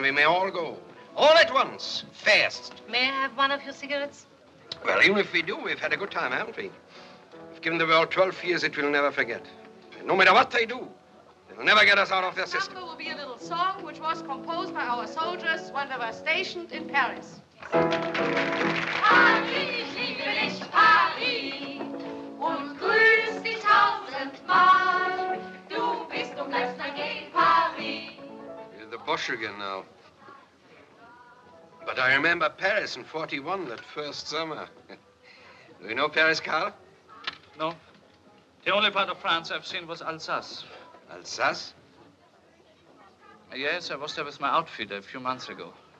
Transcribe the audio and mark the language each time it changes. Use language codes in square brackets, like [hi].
[en] We may all go. All at once, fast. May I have one of your cigarettes? Well, even if we do, we've had a good time, haven't we? We've given the world 12 years it will never forget. And no matter what they do, they'll never get us out of their system. Number will be a little song which was composed by our soldiers when they were stationed in Paris. [de] Paris, liebe ich Paris, und grüß dich tausendmal. Du bist und bleibst mein Paris. [en] You're the Bosch again now. But I remember Paris in 41, that first summer. Do you know Paris, Karl? No. The only part of France I've seen was Alsace. Alsace? Yes, I was there with my outfit a few months ago.